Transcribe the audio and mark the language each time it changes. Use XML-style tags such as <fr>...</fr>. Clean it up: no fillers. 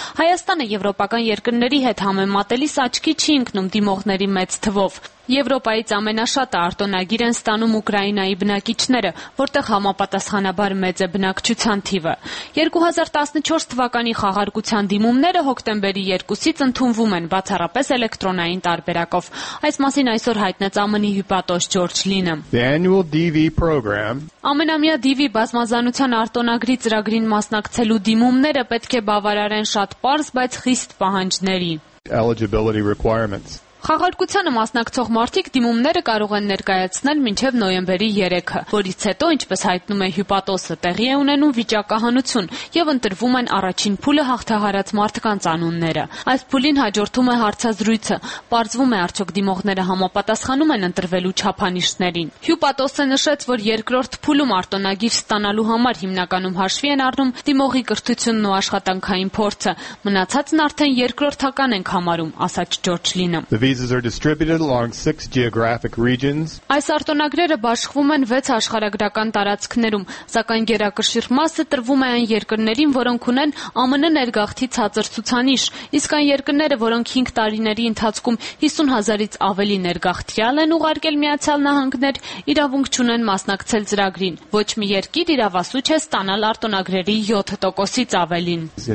<hy>Հայաստանը եվրոպական երկրների հետ համեմատելիս աչքի չի ընկնում դիմողների մեծ թվով։ Եվրոպայից ամենաշատը արտոնագիր են ստանում Ուկրաինայի բնակիչները, որտեղ համապատասխանաբար մեծ է բնակչության թիվը։ 2014 թվականի խաղարկության դիմումները հոկտեմբերի 2-ից ընդունվում են բացառապես էլեկտրոնային տարբերակով։ Այս մասին այսօր հայտնեց ԱՄՆ-ի հյուպատոս Ջորջ Լինը։ Ամենամյա DV բազմազանության արտոնագրի ծրագրին մասնակցելու դիմումները պետք է բավարարեն շատ պարզ, բայց խիստ պահանջների։</hy> <en>Eligibility requirements.</en> <hy>Խաղարկությանը մասնակցող մարդիկ դիմումները կարող են ներկայացնել մինչև նոյեմբերի 3-ը, որից հետո, ինչպես հայտնում է հյուպատոսը, տեղի է ունենում վիճակահանություն և ընտրվում են առաջին փուլը հաղթահարած մարդկանց անունները։ Այս փուլին հաջորդում է հարցազրույցը, պարզվում է արդյոք դիմողները համապատասխանում են ընտրվելու չափանիշներին։ Հյուպատոսը նշեց, որ երկրորդ փուլում արտոնագիր ստանալու համար հիմնականում հաշվի են առնում դիմողի կրթությունն ու աշխատանքային փորձը, մնացածն արդեն երկրորդական են համարում, ասաց Ջորջ Լինը։</hy> <en>The visas are distributed along 6 geographic regions.</en> <hy>Այս արտոնագրերը բաշխվում են 6 աշխարհագրական տարածքներում, սակայն գերակշիռ մասը տրվում է այն երկրներին, որոնք ունեն ԱՄՆ ներգաղթի ցածր ցուցանիշ, իսկ այն երկրները, որոնք 5 տարիների ընթացքում 50,000-ից ավելի ներգաղթյալ են ուղարկել Միացյալ Նահանգներ, իրավունք ունեն մասնակցել ծրագրին։ Ոչ մի երկիր իրավասու չէ ստանալ արտոնագրերի 7%-ից ավելին։</hy>